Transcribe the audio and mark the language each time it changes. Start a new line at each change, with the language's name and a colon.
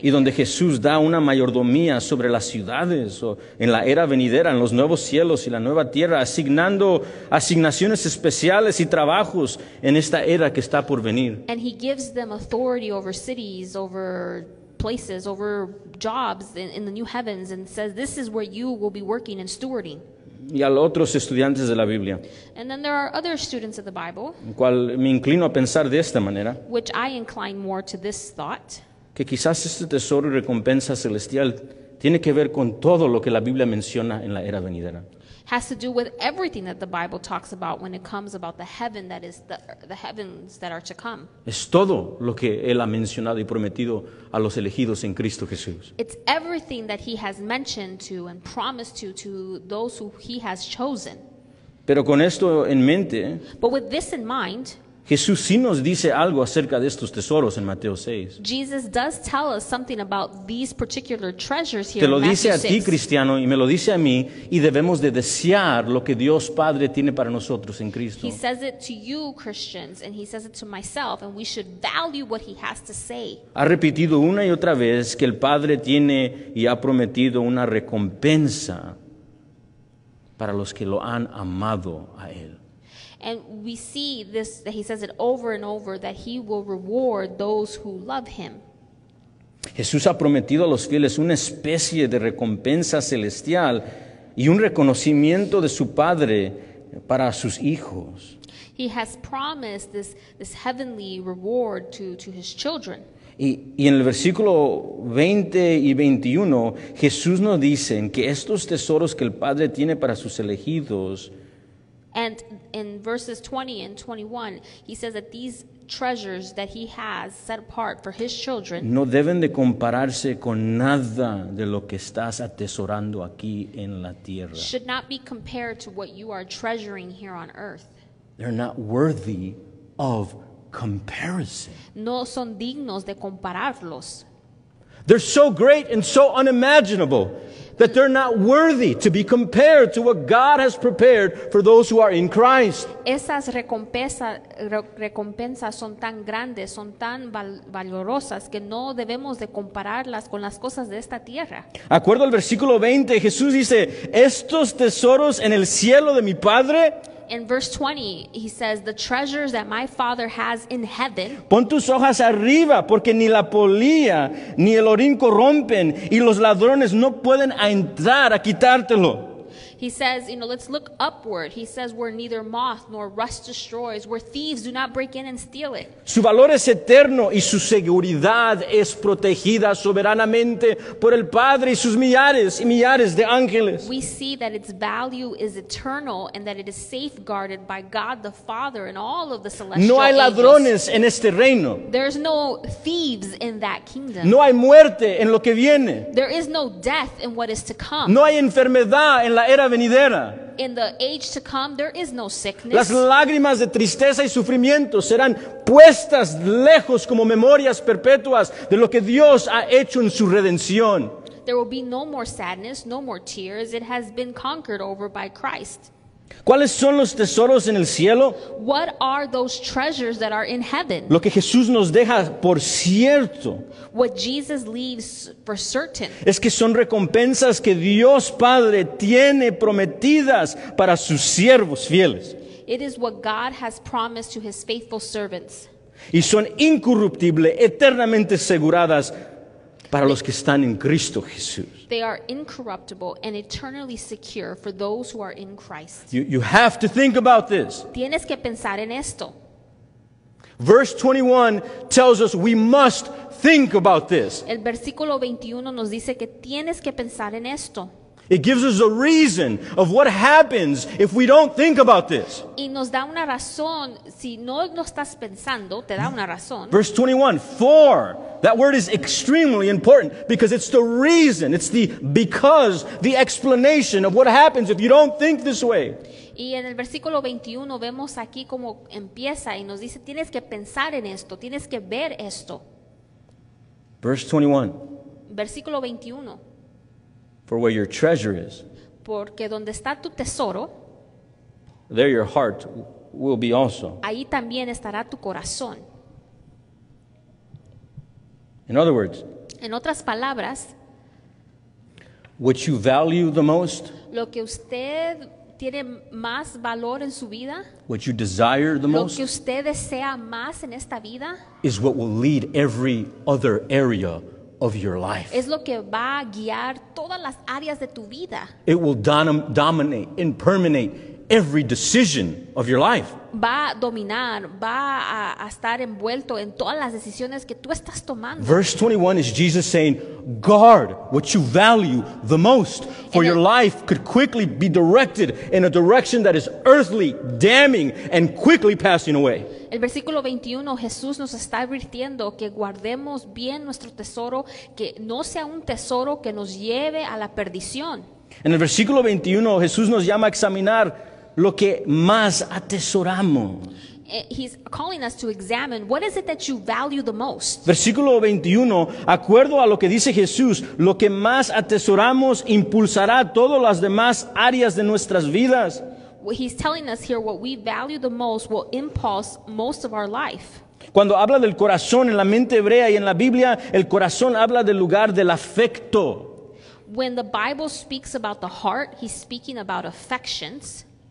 English: here.
Spanish: Y donde Jesús da una mayordomía sobre las ciudades o en la era venidera, en los nuevos cielos y la nueva tierra, asignando asignaciones especiales y trabajos en esta era que está por venir.
English: And he gives them authority over cities, over places, over jobs in the new heavens, and says, this is where you will be working and stewarding.
Spanish: Y a los otros estudiantes de la Biblia.
English: And then there are other students of the Bible.
Spanish: Cual me inclino a pensar de esta manera.
English: Which I incline more to this thought.
Spanish: Que quizás este tesoro y recompensa celestial tiene que ver con todo lo que la Biblia menciona en la era venidera.
English: Has to do with everything that the Bible talks about when it comes about the heaven that is the heavens that are to come.
Spanish: Es todo lo que Él ha mencionado y prometido a los elegidos en Cristo Jesús.
English: It's everything that He has mentioned to and promised to those who He has chosen.
Spanish: Pero con esto en mente,
English: but with this in mind,
Spanish: Jesús sí nos dice algo acerca de estos tesoros en Mateo 6.
English: Jesus does tell us something about these particular treasures here in Matthew
Spanish: 6. Te lo dice a ti, cristiano, y me lo dice a mí, y debemos de desear lo que Dios Padre tiene para nosotros en Cristo.
English: He says it to you, Christians, and he says it to myself, and we should value what he has to say.
Spanish: Ha repetido una y otra vez que el Padre tiene y ha prometido una recompensa para los que lo han amado a Él.
English: And we see this, that he says it over and over, that he will reward those who love him.
Spanish: Jesús ha prometido a los fieles una especie de recompensa celestial y un reconocimiento de su Padre para sus hijos.
English: He has promised this heavenly reward to his children.
Spanish: Y en el versículo 20 y 21, Jesús nos dice que estos tesoros que el Padre tiene para sus elegidos.
English: And in verses 20 and 21, he says that these treasures that he has set apart for his children
Spanish: no deben de compararse con nada de lo que estás atesorando aquí en la tierra.
English: Should not be compared to what you are treasuring here on earth. They're not worthy of comparison.
Spanish: No son dignos de compararlos.
English: They're so great and so unimaginable that they're not worthy to be compared to what God has prepared for those who are in Christ.
Spanish: Esas recompensas son tan grandes, son tan valiosas que no debemos de compararlas con las cosas de esta tierra. Acuerdo al versículo 20, Jesús dice, estos tesoros en el cielo de mi Padre.
English: In verse 20, he says, the treasures that my Father has in heaven.
Spanish: Pon tus ojos arriba, porque ni la polilla ni el orín corrompen, y los ladrones no pueden entrar a quitártelo.
English: He says, you know, let's look upward. He says, where neither moth nor rust destroys, where thieves do not break in and steal it.
Spanish: Su valor es eterno y su seguridad es protegida soberanamente por el Padre y sus millares y millares de ángeles.
English: We see that its value is eternal and that it is safeguarded by God the Father and all of the celestial angels.
Spanish: No hay ladrones en este reino.
English: There's no thieves in that kingdom.
Spanish: No hay muerte en lo que viene.
English: There is no death in what is to come.
Spanish: No hay enfermedad en la era venidera.
English: In the age to come, there is no sickness.
Spanish: Las lágrimas de tristeza y sufrimiento serán puestas lejos como memorias perpetuas de lo que Dios ha hecho en su redención.
English: There will be no more sadness, no more tears. It has been conquered over by Christ.
Spanish: ¿Cuáles son los tesoros en el cielo?
English: What are those treasures that are in heaven?
Spanish: Lo que Jesús nos deja por cierto.
English: What Jesus leaves for certain.
Spanish: Es que son recompensas que Dios Padre tiene prometidas para sus siervos fieles.
English: It is what God has promised to his faithful servants.
Spanish: Y son incorruptibles, eternamente aseguradas para los que están en Cristo Jesús.
English: They are incorruptible and eternally secure for those who are in Christ. You have to think about this.
Spanish: Tienes que pensar en esto.
English: Verse 21 tells us we must think about this.
Spanish: El versículo 21 nos dice que tienes que pensar en esto.
English: It gives us a reason of what happens if we don't think about this.
Spanish: Y nos da una razón. Si no lo estás pensando, te da una razón.
English: Verse 21, for. That word is extremely important because it's the reason, it's the because, the explanation of what happens if you don't think this way.
Spanish: Y en el versículo 21 vemos aquí cómo empieza y nos dice, tienes que pensar en esto, tienes que ver esto.
English: Verse 21.
Spanish: Versículo 21.
English: For where your treasure is,
Spanish: porque donde está tu tesoro,
English: there your heart will be also.
Spanish: Ahí también estará tu corazón.
English: In other words,
Spanish: en otras palabras,
English: what you value the most,
Spanish: lo que usted tiene más valor en su vida,
English: what you desire the
Spanish: lo
English: most,
Spanish: que usted desea más en esta vida,
English: is what will lead every other area of your life.
Spanish: Es lo que va a guiar todas las áreas de tu vida.
English: It will dominate and permeate every decision of your life.
Spanish: Va a dominar, va a estar envuelto en todas las decisiones que tú estás tomando.
English: Verse 21 is Jesus saying, guard what you value the most, for your life could quickly be directed in a direction that is earthly, damning, and quickly passing away.
Spanish: El versículo 21, Jesús nos está advirtiendo que guardemos bien nuestro tesoro, que no sea un tesoro que nos lleve a la perdición. En el versículo 21, Jesús nos llama a examinar lo que más atesoramos.
English: He's calling us to examine what is it that you value the most.
Spanish: Versículo 21, acuerdo a lo que dice Jesús, lo que más atesoramos impulsará todas las demás áreas de nuestras vidas.
English: He's telling us here what we value the most will impulse most of our life.
Spanish: Cuando habla del corazón en la mente hebrea y en la Biblia, el corazón habla del lugar del afecto.
English: When the Bible speaks about the heart, he's speaking about affections.